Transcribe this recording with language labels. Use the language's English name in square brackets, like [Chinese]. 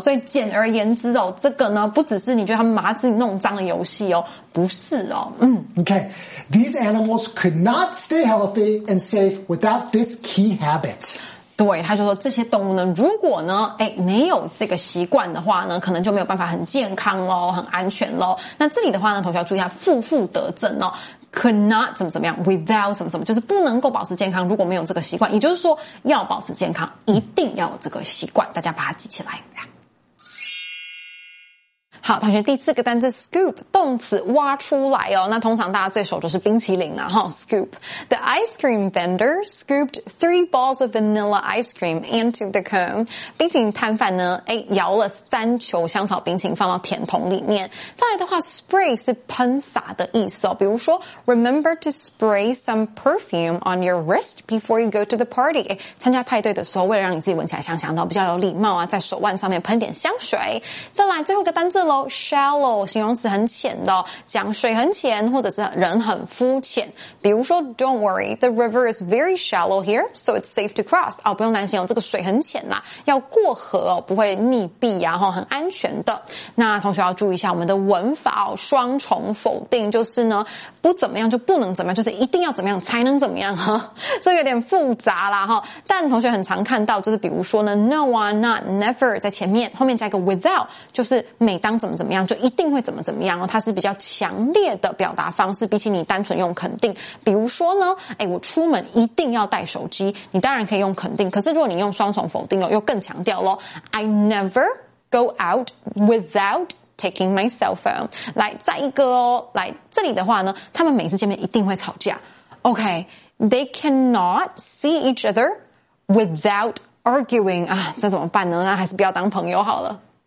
[Chinese] 所以简而言之哦，这个呢，不只是你觉得他们把自己弄脏的游戏哦，不是哦。嗯。 [English] Okay, these animals could not stay healthy and safe without this key habit. [Chinese] 对，他就说这些动物呢，如果呢，哎，没有这个习惯的话呢，可能就没有办法很健康咯，很安全咯。那这里的话呢，同学要注意一下，负负得正哦。 Could not 怎么怎么样 ，without 什么什么，就是不能够保持健康。如果没有这个习惯，也就是说要保持健康，一定要有这个习惯。大家把它记起来。好，同学，第四个单字 scoop 动词挖出来哦。那通常大家最熟就是冰淇淋啦，哈 [English] ，scoop。The ice cream vendor scooped 3 balls of vanilla ice cream into the cone。 [Chinese] 冰淇淋摊贩呢，哎，摇了3球香草冰淇淋放到甜筒里面。再来的话 ，spray 是喷洒的意思哦。 [English] 比如说 ，remember to spray some perfume on your wrist before you go to the party。 [Chinese] 哎，参加派对的时候，为了让你自己闻起来香香的，比较有礼貌啊，在手腕上面喷点香水。再来，最后一个单字。Shallow 形容词很浅的，讲水很浅，或者是人很肤浅。 [English] 比如说 ，Don't worry, the river is very shallow here, so it's safe to cross。 [Chinese] 哦，不用担心哦，这个水很浅呐，要过河哦，不会溺毙呀，哈，很安全的。那同学要注意一下我们的文法哦，双重否定就是呢，不怎么样就不能怎么样，就是一定要怎么样才能怎么样哈，这有点复杂啦哈。但同学很常看到，就是比如说呢 ，No one, not, never 在前面，后面加一个 without， 就是每当怎么怎么样就一定会怎么怎么样，它是比较强烈的表达方式，比起你单纯用肯定。比如说呢，哎，我出门一定要带手机，你当然可以用肯定，可是如果你用双重否定又更强调咯， [English] I never go out without taking my cell phone。 [Chinese] 来，再一个哦，来，这里的话呢，他们每次见面一定会吵架。 [English] OK, they cannot see each other without arguing。 [Chinese] 啊，这怎么办呢？那还是不要当朋友好了。